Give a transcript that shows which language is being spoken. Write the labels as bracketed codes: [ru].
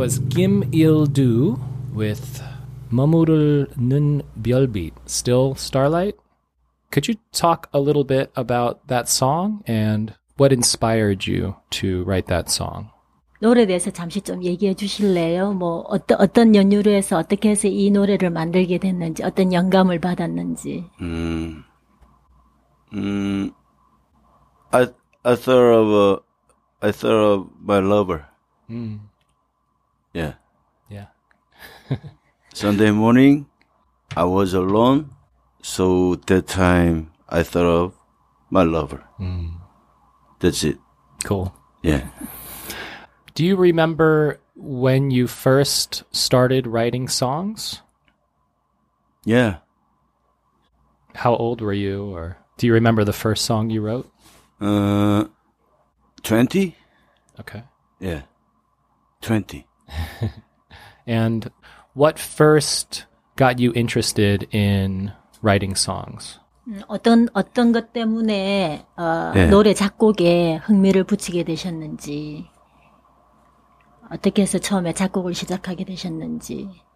[en] Kim Il-do with 머무르는 별빛, still starlight. Could you talk a little bit about that song and what inspired you to write that song? [ko] 노래 대해서 잠시 좀 얘기해 주실래요? 뭐 어떤 연유로 해서 어떻게 해서 이 노래를 만들게 됐는지 어떤 영감을 받았는지. [en] I thought of my lover. Sunday morning, I was alone, so that time I thought of my lover. That's it. Cool. Yeah. Do you remember when you first started writing songs? Yeah. How old were you, or do you remember the first song you wrote? 20? Okay. Yeah, 20. And what first got you interested in writing songs? [ko] 어떤 것 때문에 노래 작곡에 흥미를 붙이게 되셨는지 어떻게 해서 처음에 작곡을 시작하게 되셨는지.